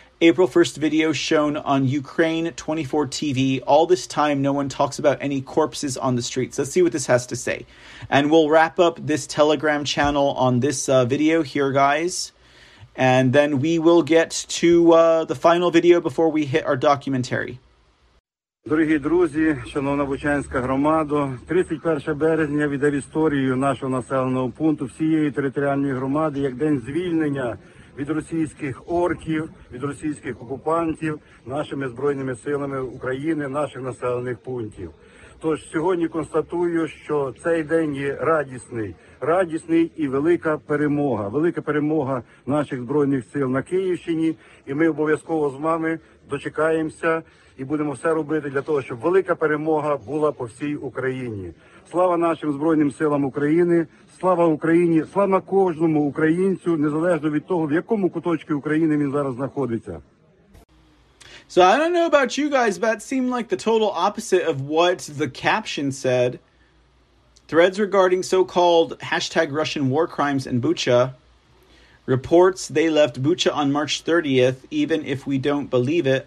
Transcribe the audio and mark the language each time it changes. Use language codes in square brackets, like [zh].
[en] April 1st video shown on Ukraine 24 TV. All this time, no one talks about any corpses on the streets. Let's see what this has to say. And we'll wrap up this Telegram channel on this video here, guys. And then we will get to the final video before we hit our documentary. [uk] Дорогі друзі, шановна Бучанська громада, 31 березня віддав історію нашого населеного пункту всієї територіальної громади як день звільнення від російських орків, від російських окупантів нашими збройними силами України, наших населених пунктів. Тож сьогодні констатую, що цей день є радісний. Радісний і велика перемога. Велика перемога наших збройних сил на Київщині. І ми обов'язково з вами дочекаємося і будемо все робити для того, щоб велика перемога була по всій Україні. Слава нашим збройним силам України! Слава Україні! Слава кожному українцю, незалежно від того, в якому куточку України він зараз знаходиться. [en] So I don't know about you guys, but it seemed like the total opposite of what the caption said. Threads regarding so-called hashtag Russian war crimes in Bucha. Reports they left Bucha on March 30th, even if we don't believe it.